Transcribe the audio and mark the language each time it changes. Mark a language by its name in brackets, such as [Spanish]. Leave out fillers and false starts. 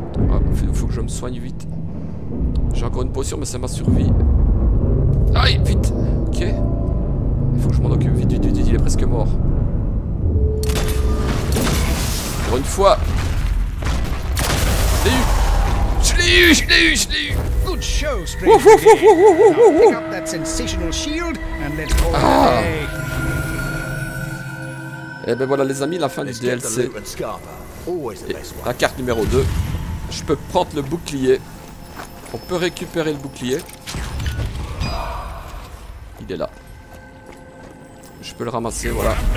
[French] Ah, il faut que je me soigne vite. J'ai encore une potion, mais c'est ma survie. Aïe, vite. Ok. Il faut que je m'en occupe vite, vite, vite, vite. Il est presque mort. Pour une fois. Je l'ai eu. Je l'ai eu, je l'ai eu, je l'ai eu. [English] Good show, Spring. Pick up that sensational shield and let's go. [French] Et ben voilà les amis, la fin du DLC. Et la carte numéro 2. Je peux prendre le bouclier. On peut récupérer le bouclier. Il est là. Je peux le ramasser, voilà.